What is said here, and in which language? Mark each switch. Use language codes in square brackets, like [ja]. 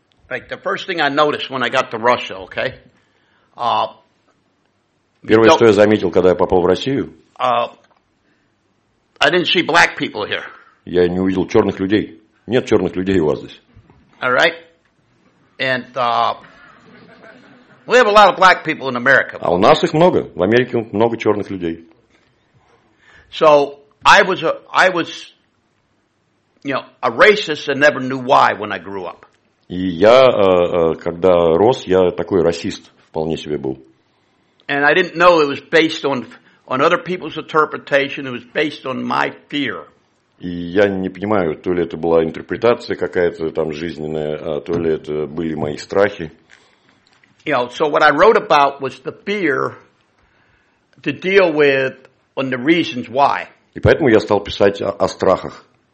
[en] Like the first thing I noticed when I got to Russia, okay? [ru] Первое, что я заметил, когда я попал в Россию, [en] I didn't see black people here. [ru] Я не увидел черных людей. Нет черных людей у вас здесь. [en] All right. And we have a lot of black people in America. [ru] А у нас их много. В Америке много черных людей. [en] So I was, a racist and never knew why when I grew up. [ru] И я, когда рос, я такой расист вполне себе был. [en] And I didn't know it was based on other people's interpretation. It was based on my fear. [ru] И я не понимаю, то ли это была интерпретация какая-то там жизненная, а то ли это были мои страхи. [en] So what I wrote about was the fear to deal with on the reasons why. [ru] И поэтому я стал писать о страхах.